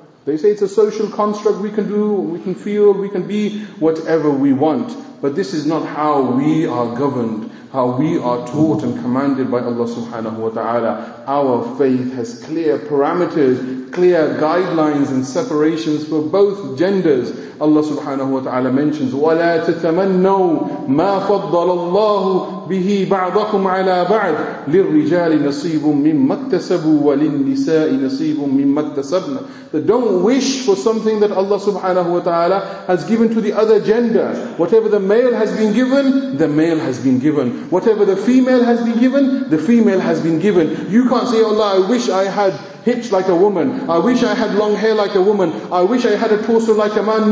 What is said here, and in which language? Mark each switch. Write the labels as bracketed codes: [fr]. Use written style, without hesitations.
[en] They say it's a social construct, we can do, we can feel, we can be whatever we want. But this is not how we are governed, how we are taught and commanded by Allah subhanahu wa ta'ala. Our faith has clear parameters, clear guidelines and separations for both genders. [ar] Allah subhanahu wa ta'ala [en] mentions, [ar] وَلَا تَتَمَنَّوا مَا فَضَّلَ اللَّهُ بِهِ بَعْضَكُمْ عَلَىٰ بَعْضٍ لِلرِّجَالِ نَصِيبٌ مِّمَّا اكْتَسَبُوا وَلِلنِّسَاءِ نَصِيبٌ مِّمَّا اكْتَسَبْنَ. [en] That don't wish for something that Allah subhanahu wa ta'ala has given to the other gender. Whatever the male has been given, the male has been given. Whatever the female has been given, the female has been given. You can't say, Allah, I wish I had hips like a woman. I wish I had long hair like a woman. I wish I had a torso like a man.